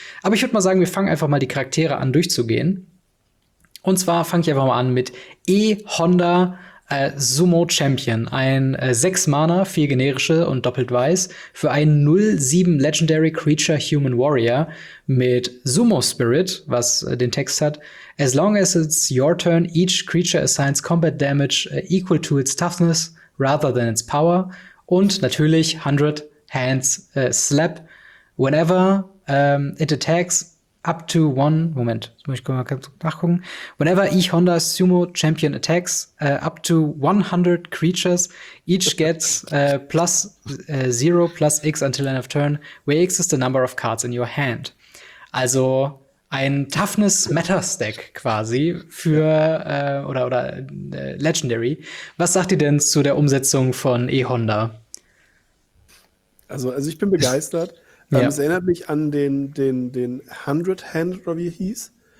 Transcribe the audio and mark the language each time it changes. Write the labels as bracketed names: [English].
[German] Aber ich würde mal sagen, wir fangen einfach mal die Charaktere an durchzugehen. Und zwar fange ich einfach mal an mit E. Honda Sumo Champion, ein 6 Mana, 4 generische und doppelt weiß, für einen 0/7 Legendary Creature Human Warrior mit Sumo Spirit, was den Text hat. [English] As long as it's your turn, each creature assigns combat damage equal to its toughness rather than its power. [German] Und natürlich 100 Hands Slap. [English] Whenever it attacks up to one, [German] Moment, das muss ich mal kurz nachgucken. [English] Whenever E. Honda Sumo Champion attacks up to 100 creatures, each gets plus X until end of turn, where X is the number of cards in your hand. [German] Also ein Toughness-Meta-Stack quasi für Legendary. Was sagt ihr denn zu der Umsetzung von E-Honda? Also ich bin begeistert. Ja. Es erinnert mich an den 100 Hand, oder wie er hieß.